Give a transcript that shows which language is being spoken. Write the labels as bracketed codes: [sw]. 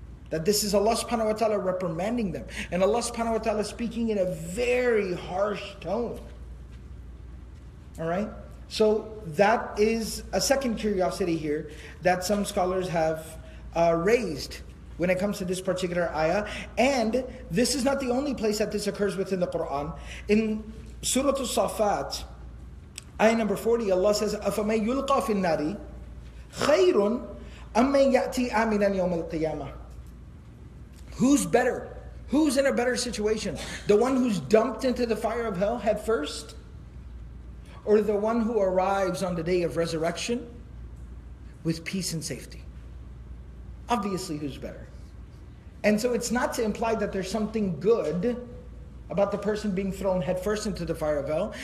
[en] That this is Allah subhanahu wa ta'ala reprimanding them. And Allah subhanahu wa ta'ala speaking in a very harsh tone. Alright? So that is a second curiosity here that some scholars have raised when it comes to this particular ayah. And this is not the only place that this occurs within the Qur'an. In Surah As-Saffat, ayah number 40, Allah says, [ar] أَفَمَنْ يُلْقَى فِي النَّارِ خَيْرٌ أَمَّنْ يَأْتِي آمِنًا يَوْمَ الْقِيَامَةِ. [en] Who's better? Who's in a better situation? The one who's dumped into the fire of hell head first? Or the one who arrives on the day of resurrection with peace and safety? Obviously, who's better? And so it's not to imply that there's something good about the person being thrown headfirst into the fire of hell.